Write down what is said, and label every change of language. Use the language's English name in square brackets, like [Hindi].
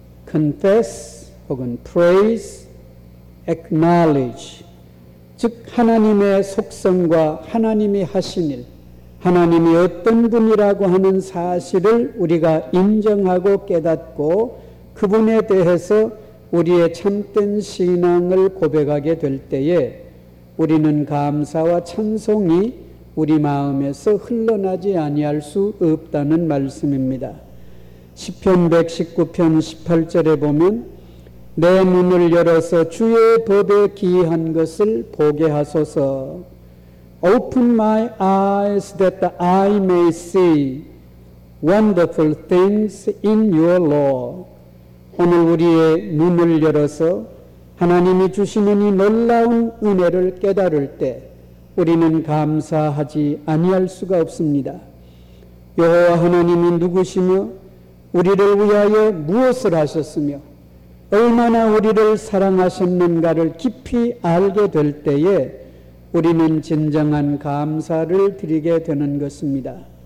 [Korean] Confess 혹은 praise, acknowledge, 즉 하나님의 속성과 하나님이 하신 일, 하나님이 어떤 분이라고 하는 사실을 우리가 인정하고 깨닫고 그분에 대해서 우리의 참된 신앙을 고백하게 될 때에 우리는 감사와 찬송이 우리 마음에서 흘러나지 아니할 수 없다는 말씀입니다. 시편 119편 18절에 보면 내 눈을 열어서 주의 법에 기이한 것을 보게 하소서. [English] Open my eyes that I may see wonderful things in your law. [Korean] 오늘 우리의 눈을 열어서 하나님이 주시는 이 놀라운 은혜를 깨달을 때 우리는 감사하지 아니할 수가 없습니다. 여호와 하나님이 누구시며 우리를 위하여 무엇을 하셨으며 얼마나 우리를 사랑하셨는가를 깊이 알게 될 때에 우리는 진정한 감사를 드리게 되는 것입니다.